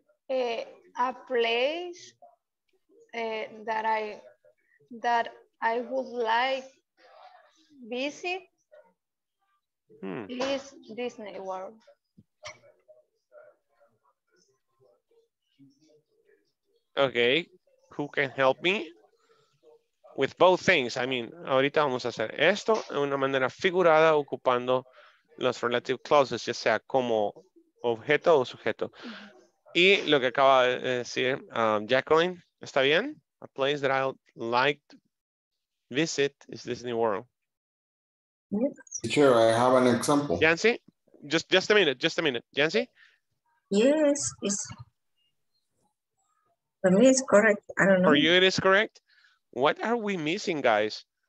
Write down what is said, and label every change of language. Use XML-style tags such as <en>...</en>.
<en>A place that I would like visit is Disney World. Okay, who can help me with both things? I mean,</en> <es>ahorita vamos a hacer esto en una manera figurada ocupando los relative clauses, ya sea como objeto o sujeto. Y lo que acaba de decir Jacqueline, ¿está bien?</es> <en>A place that I'd like to visit is Disney World. Sure, I have an example. Yancy, just a minute. Yancy? Yes, it's... For me, it's correct. I don't know. For you, it is correct? What are we missing, guys?</en>